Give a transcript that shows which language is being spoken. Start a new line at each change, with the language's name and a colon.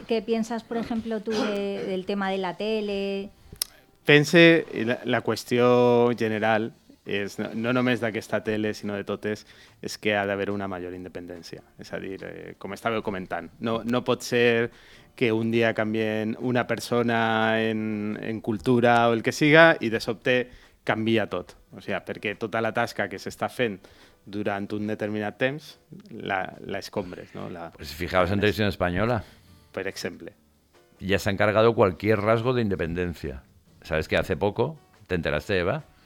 Spanish: ¿Qué piensas, por ejemplo, tú del tema de la tele?
Catalan: Pensé la qüestió general, és, no només d'aquesta tele, sinó de totes, és que ha d'haver una major independència. És a dir, com estava comentant, no pot ser que un dia canvien una persona en cultura o el que siga i de sobte canvia tot. O sigui, perquè tota la tasca que s'està fent durant un determinat temps, la escombres, no?
Spanish: Pues fijaos en Televisión Española.
Catalan: Per exemple.
Spanish: Ya se ha encargado cualquier rasgo de independencia. ¿Sabes que hace poco, te enteraste, Eva?